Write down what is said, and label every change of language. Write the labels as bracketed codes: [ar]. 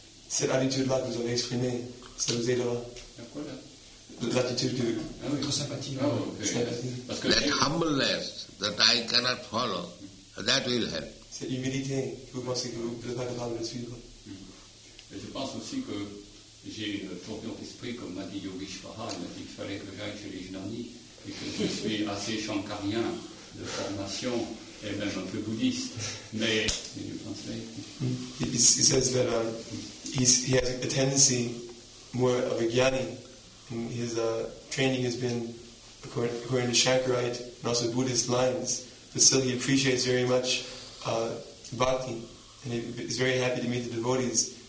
[fr] Cette attitude-là que vous avez exprimée, ça vous aidera. L'attitude de votre sympathie. Oh, [en] okay. That humbleness that I cannot follow, that will help. [fr] Cette humilité que vous pensez que vous n'êtes pas capable de suivre. Et je pense aussi que j'ai une tournure d'esprit, comme m'a dit Yogi Shvara, il m'a dit qu'il fallait que j'aille chez les Jnani, et que je suis assez shankarien de formation, et même un peu bouddhiste. [en] Mais, can you translate? He says that he has a tendency more of a jnani, and his training has been according to Shankarite and also Buddhist lines, but still he appreciates very much bhakti, and he is very happy to meet the devotees.